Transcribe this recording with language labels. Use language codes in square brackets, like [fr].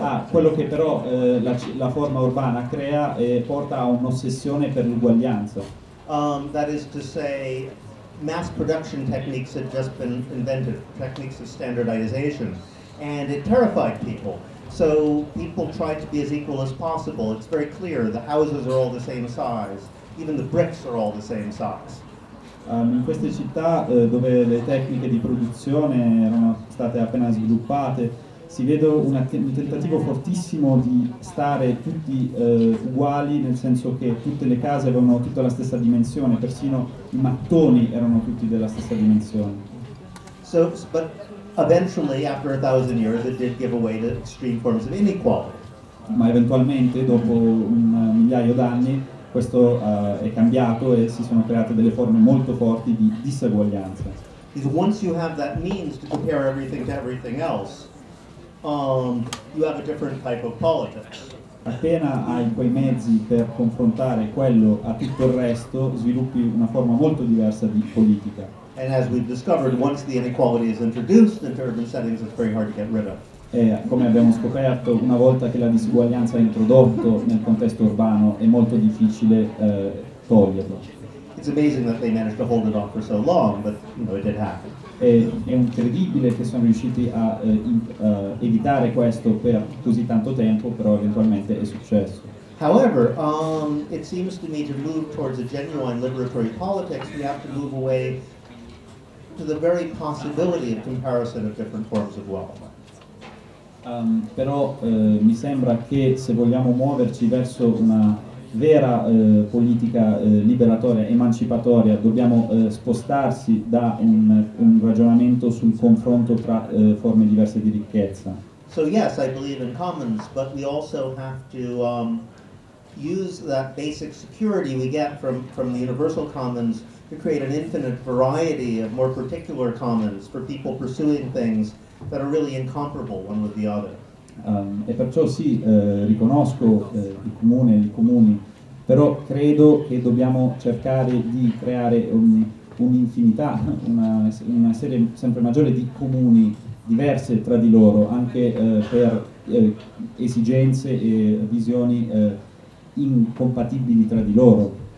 [it] Quello che però la forma urbana crea e porta a un'ossessione per l'uguaglianza. [en] That is to say, mass production techniques had just been invented, techniques of standardization, and it terrified people. So people tried to be as equal as possible. It's very clear the houses are all the same size, even the bricks are all the same size. [it] In queste città dove le tecniche di produzione erano state appena sviluppate, si vede un tentativo fortissimo di stare tutti uguali, nel senso che tutte le case avevano tutta la stessa dimensione, persino i mattoni erano tutti della stessa dimensione. [en] So, but eventually, after 1,000 years, it did give way to extreme forms of inequality. [it] Ma eventualmente, dopo un migliaio d'anni, questo è cambiato e si sono create delle forme molto forti di disuguaglianza. [en] Because once you have that means to compare everything to everything else, you have a different type of politics. [it] Appena hai quei mezzi per confrontare quello a tutto il resto, sviluppi una forma molto diversa di politica. [en] And as we've discovered, once the inequality is introduced into urban settings, it's very hard to get rid of. [it] E come abbiamo scoperto, una volta che la disuguaglianza è introdotta nel contesto urbano, è molto difficile toglierlo. [en] It's amazing that they managed to hold it off for so long, but you know, it did happen. [it] È incredibile che sono riusciti a evitare questo per così tanto tempo, però eventualmente è successo. [en] However, it seems to me to move towards a genuine liberatory politics, we have to move away to the very possibility of comparison of different forms of wealth. [it] Però mi sembra che se vogliamo muoverci verso una vera politica liberatoria, emancipatoria, dobbiamo spostarsi da un ragionamento sul confronto tra forme diverse di ricchezza. [en] So yes, I believe in commons, but we also have to use that basic security we get from the universal commons to create an infinite variety of more particular commons for people pursuing things that are really incomparable one with the other. [it] E perciò sì, riconosco il comune, i comuni, però credo che dobbiamo cercare di creare un'infinità, una serie sempre maggiore di comuni diverse tra di loro, anche per esigenze e visioni incompatibili tra di loro.